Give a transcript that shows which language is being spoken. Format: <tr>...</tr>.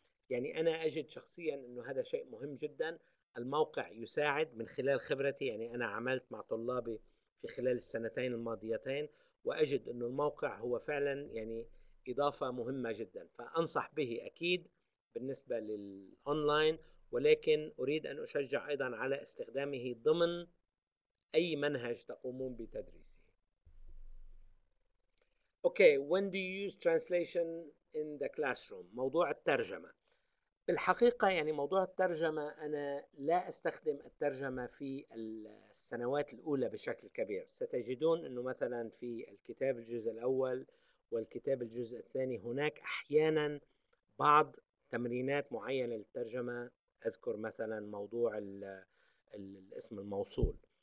<ar>يعني أنا أجد شخصيا أنه هذا شيء مهم جدا، الموقع يساعد من خلال خبرتي، يعني أنا عملت مع طلابي في خلال السنتين الماضيتين، وأجد أن الموقع هو فعلا يعني إضافة مهمة جدا، فأنصح به أكيد بالنسبة للأونلاين، ولكن أريد أن أشجع أيضا على استخدامه ضمن أي منهج تقومون بتدريسه.</ar> <en>Okay, when do you use translation in the classroom؟</en> <ar>موضوع الترجمة. بالحقيقة يعني موضوع الترجمة أنا لا أستخدم الترجمة في السنوات الأولى بشكل كبير. ستجدون أنه مثلا في الكتاب الجزء الأول والكتاب الجزء الثاني هناك أحيانا بعض تمرينات معينة للترجمة، أذكر مثلا موضوع الاسم الموصول.</ar>